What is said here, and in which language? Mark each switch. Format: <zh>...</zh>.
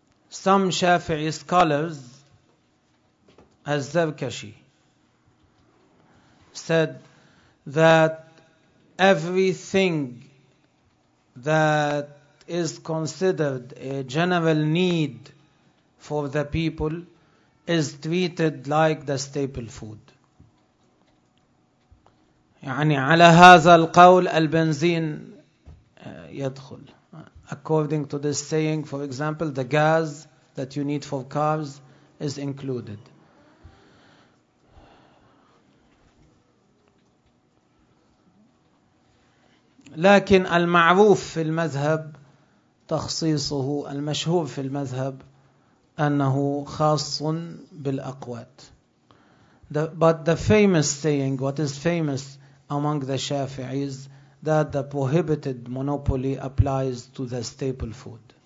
<en>Some Shafi'i scholars, الزركشي, said that everything that is considered a general need for the people is treated like the staple food.</en> <ar>يعني على هذا القول البنزين يدخل.</ar> <en>According to this saying, for example, the gas that you need for cars is included.</en> <ar>لكن المعروف في المذهب تخصيصه المشهور في المذهب أنه خاص بالأقوات.</ar> <en>But the famous saying, what is famous among the Shafi'is, that the prohibited monopoly applies to the staple food.</en>